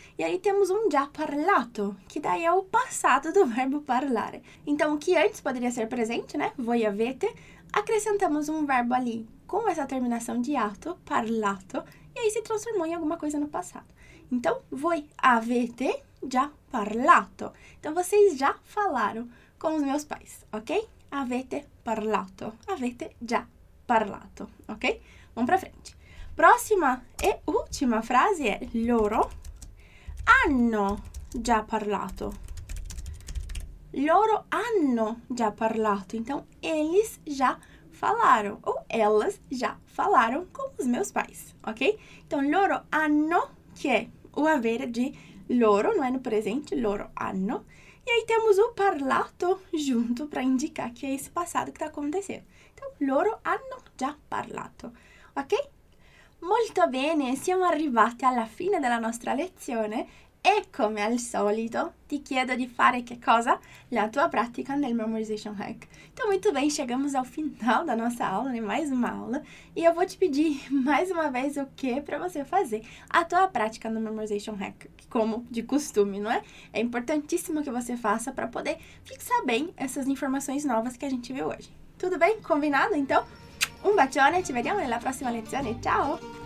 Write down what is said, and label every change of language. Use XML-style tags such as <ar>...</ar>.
<pt>E aí temos um</pt> <it>già parlato,</it> <pt>que daí é o passado do verbo parlare. Então, o que antes poderia ser presente, né? Voi avete. Acrescentamos um verbo ali com essa terminação de ato, parlato, e aí se transformou em alguma coisa no passado.</pt> <it>Então, voi avete già parlato.</it> <pt>Então, vocês já falaram com os meus pais, ok?</pt> <it>Avete parlato. Avete già parlato, ok? Vamos para frente.</it> <pt>Próxima e última frase é loro hanno già parlato.</pt> <it>Loro hanno già parlato.</it> <pt>Então, eles já falaram, ou elas já falaram com os meus pais, ok? Então,</pt> <it>loro hanno,</it> <pt>que é o avere de loro, não é no presente, loro hanno. E aí temos o parlato junto para indicar que é esse passado que está acontecendo.</pt> <it>Então, loro hanno già parlato, ok? Molto bene, siamo arrivati alla fine della nostra lezione. E come al solito, ti chiedo di fare che cosa? La tua pratica nel Memorization Hack.</it> <pt>Então, muito bem, chegamos ao final da nossa aula, né? Mais uma aula. E eu vou te pedir mais uma vez o que para você fazer a tua prática no Memorization Hack, como de costume, não é? É importantíssimo que você faça para poder fixar bem essas informações novas que a gente viu hoje. Tudo bem? Combinado? Então, um</pt> <it>bacione, ci vediamo nella prossima lezione. Ciao!</it>